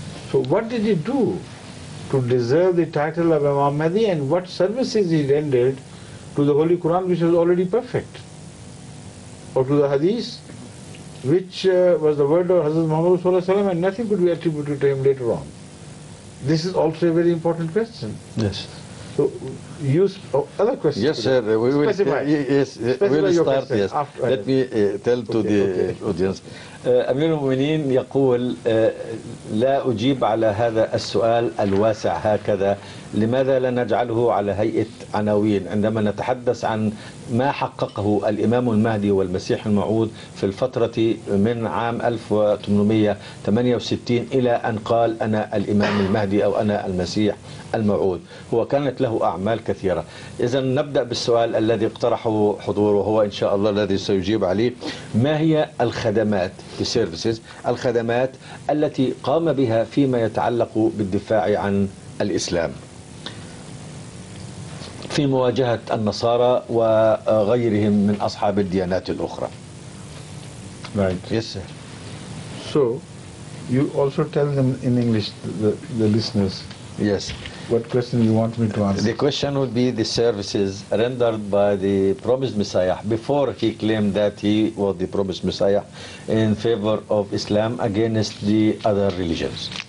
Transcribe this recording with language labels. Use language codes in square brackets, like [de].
[en] So what did he do to deserve the title of Imam Mahdi, and what services he rendered to the Holy Quran, which was already perfect, or to the Hadith, which was the word of Hazrat Muhammad Sallallahu Alaihi Wasallam, and nothing could be attributed to him later on? This is also a very important question. Yes. So, use other questions. Yes, sir. We will specify. Yes, we'll start. Yes. Let me tell to the audience. [ar] أمير المؤمنين يقول لا أجيب على هذا السؤال الواسع هكذا. لماذا لا نجعله على هيئة عناوين عندما نتحدث عن ما حققه الإمام المهدي والمسيح الموعود في الفترة من عام 1868 إلى أن قال أنا الإمام المهدي أو أنا المسيح الموعود؟ هو كانت له أعمال كثيرة. إذن نبدأ بالسؤال الذي اقترحه حضوره، هو إن شاء الله الذي سيجيب عليه. ما هي الخدمات الخدمات التي قام بها فيما يتعلق بالدفاع عن الإسلام في مواجهة النصارى وغيرهم من أصحاب الديانات الأخرى؟ [en] Right. Yes, sir. So, you also tell them in English, the listeners. Yes. What question you want me to answer? The question would be the services rendered by the promised Messiah before he claimed that he was the promised Messiah in favor of Islam against the other religions.